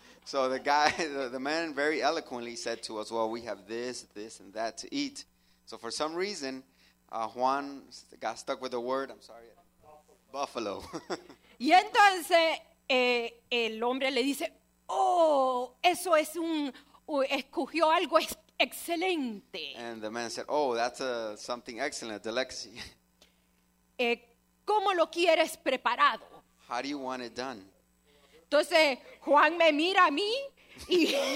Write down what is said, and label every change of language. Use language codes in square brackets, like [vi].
[en] So the guy, the man very eloquently said to us, well, we have this, this, and that to eat. So for some reason, Juan got stuck with the word, I'm sorry, buffalo. [es] Y entonces el hombre le dice, oh, eso es un, escogió algo excelente. [en] And the man said, oh, that's something excellent, a delicacy. [es] ¿Cómo lo quieres preparado? [en] How do you want it done? [es] Entonces, Juan me mira a mí y...